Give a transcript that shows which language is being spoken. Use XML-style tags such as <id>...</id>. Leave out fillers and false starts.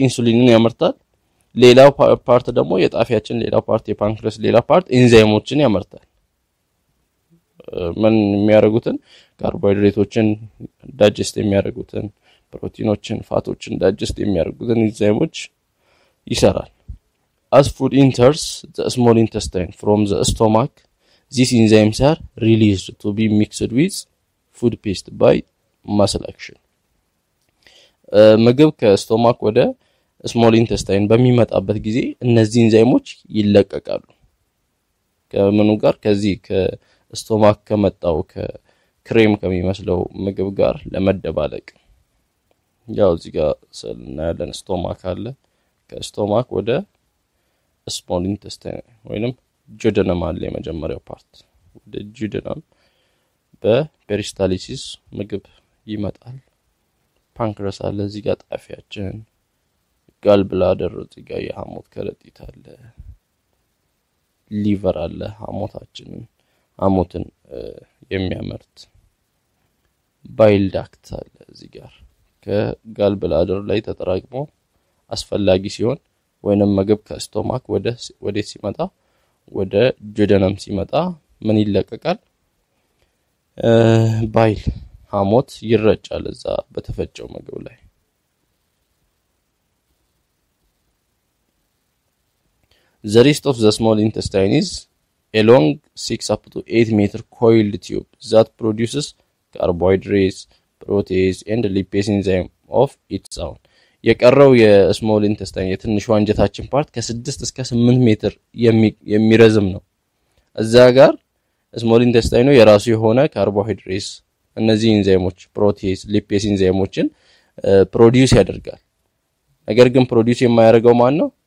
<am>ኢንሱሊንን ያመርታል። ሌላው ፓርት ደግሞ የጣፊያችን ሌላው ፓርት የፓንክሪስ ሌላው ፓርት ኢንዛይሞችን ያመርታል። ምን የሚያደርጉትን? ካርቦሃይድሬቶችን ዳይጀስት የሚያደርጉትን፣ ፕሮቲኖችን፣ ፋቶችን ዳይጀስት የሚያደርጉትን ኢንዛይሞች ይሰራል።</am> <en>as food enters the small intestine from the stomach these enzymes are released to be mixed with food paste by muscle action.</en> <am>ምግብ ከስቶማክ ወደ ስሞል ኢንተስታይን በሚመጣበት ጊዜ እነዚህ ኢንዛይሞች ይለቀቃሉ። ከምኑ ጋር? ከዚህ ከስቶማክ ከመጣው ከክሬም ከሚመስለው ምግብ ጋር ለመደባለቅ። ያው እዚህ ጋር ስለናለን ስቶማክ አለ። ከስቶማክ ወደ ስሞል ኢንተስታይን ወይንም ጁደነም አለ የመጀመሪያው ፓርት። ወደ ጁደነም በፔሪስታሊሲስ ምግብ ይመጣል። ፓንክሪያስ አለ እዚህ ጋር ጣፊያችን፣ ጋል ብላደር እዚህ ጋር የሃሞት ከረጢት አለ፣ ሊቨር አለ ሃሞታችንን ሃሞትን የሚያመርት፣ ባይል ዳክት አለ እዚህ ጋር ከጋል ብላደር ላይ ተጠራቅሞ አስፈላጊ ሲሆን ወይንም ምግብ ከስቶማክ ወደ ሲመጣ ወደ ጁደነም ሲመጣ ምን ይለቀቃል? ባይል ሃሞት ይረጫል እዛ በተፈጨው ምግብ ላይ።</am> <en>The rest of the small intestine is a long 6 up to 8 meter coiled tube that produces carbohydrates, proteins and lipase enzymes of its own.</en> <am>የቀረው የስሞል ኢንተስታይን የትንሹ አንጀታችን ፓርት ከ6 እስከ 8 ሜትር የሚረዝም ነው። እዛ ጋር ስሞል ኢንተስታይኑ የራሱ የሆነ ካርቦሃይድሬትስ እነዚህ ኢንዛይሞች ፕሮቲኤዝ ሊፔስ ኢንዛይሞችን ፕሮዲዩስ ያደርጋል። ነገር ግን ፕሮዲዩስ የማያደርገው ማን ነው?</am>